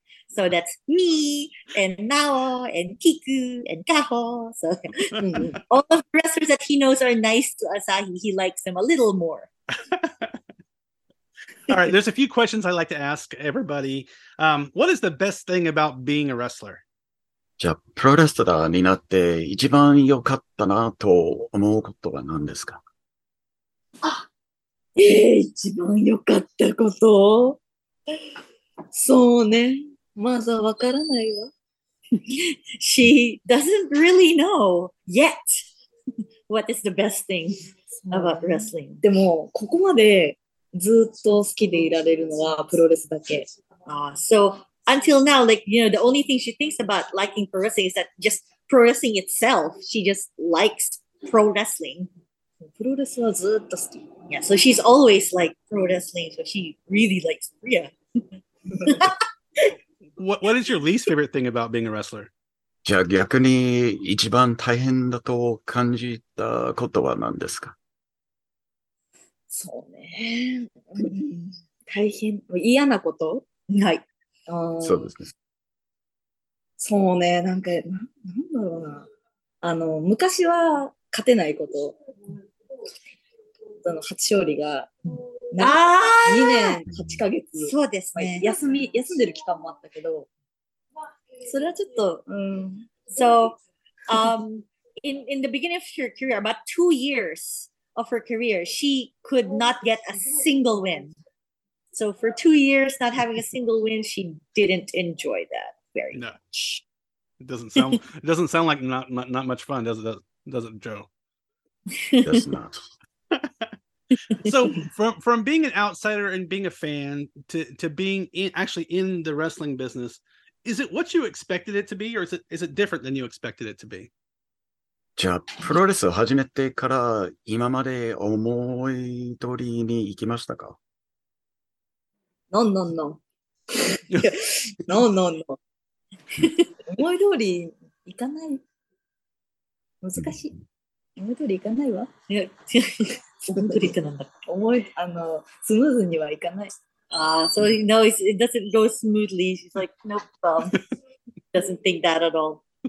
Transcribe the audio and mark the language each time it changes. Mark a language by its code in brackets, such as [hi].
[en] So that's me and Nao and Kiku and Kaho. So all of the wrestlers that he knows are nice to Asahi. He likes them a little more. All right, there's a few questions I like to ask everybody. What is the best thing about being a wrestler? [ja] じゃあ、プロレスラーになって一番良かったなと思うことは何ですか？一番良かったこと？そうね。まずはわからないよ。 [en] She doesn't really know yet what is the best thing about wrestling. [ja] でも、ここまでずっと好きでいられるのはプロレスだけ。 [en] So until now, like, you know, the only thing she thinks about liking pro wrestling is that just pro wrestling itself, she just likes pro wrestling. [ja] プロレスはずっと好き。 [en] Yeah, so she's always like pro wrestling, so she really likes Priya. What is your least favorite thing about being a wrestler? [ja] じゃあ逆に一番大変だと感じたことは何ですか？そうね。大変、嫌なこと？はい。そうですね。そうね、なんか、なんだろうな。あの、昔は勝てないこと。その初勝利が、2年8ヶ月。そうですね。まあ、休んでる期間もあったけど、それはちょっと、 [en] So, in the beginning of her career, about 2 years of her career, she could not get a single win. So for 2 years, not having a single win, she didn't enjoy that very much. It doesn't sound, like not much fun, does it, Joe? It does not. So from being an outsider and being a fan to being actually in the wrestling business, is it what you expected it to be, or is it different than you expected it to be? [ja] じゃあ、プロレスを始めてから今まで思い通りに行きましたか？ノンノンノン。ノンノンノン。思い通り行かない。難しい。思い通り行かないわ。思い通りってなんだっけ？スムーズには行かない。 [en] So you know, it doesn't go smoothly. She's like, nope, doesn't think that at all.